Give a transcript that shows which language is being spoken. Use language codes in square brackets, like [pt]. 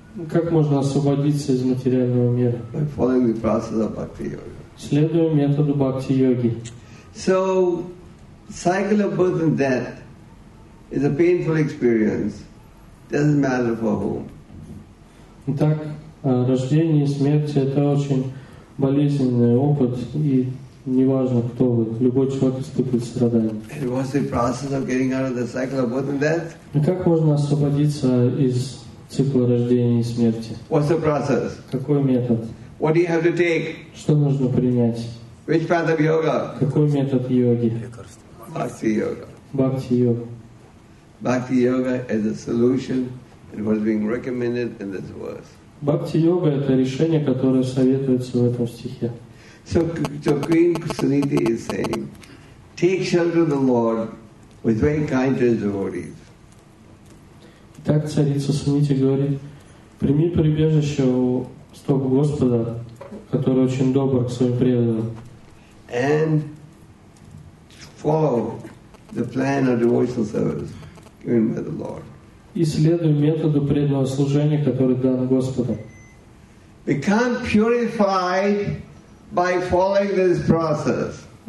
[ru] Как можно освободиться из материального мира? [en] By following the process of bhakti yoga. [ru] Следуя методу бхакти йоги. [en] So, cycle of birth and death is a painful experience. Doesn't matter for whom. [ru] Итак, рождение и смерть — это очень болезненный опыт, и неважно, кто вы, любой человек испытывает страдания. [en] And what's the process of getting out of the cycle of birth and death? [ru] И как можно освободиться из цикла рождения и смерти? [en] What's the process? [ru] Какой метод? [en] What do you have to take? [ru] Что нужно принять? [en] Which path of yoga? [ru] Какой метод йоги? [en] Bhakti yoga. [ru] Bhakti yoga. [en] Bhakti yoga is a solution and was being recommended in this verse. [ru] Бхакти йога — это решение, которое советуется в этом стихе. [en] So Queen Suniti is saying, take shelter of the Lord who is very kind to his devotees. [ru] Так царица Сунити говорит, прими прибежище у стоп Господа, который очень добр к своим преданным. [en] And follow the plan of devotional service given by the Lord. [ru] И следуй методу преданного служения, который дан Господом. [en] Become purified by following this process.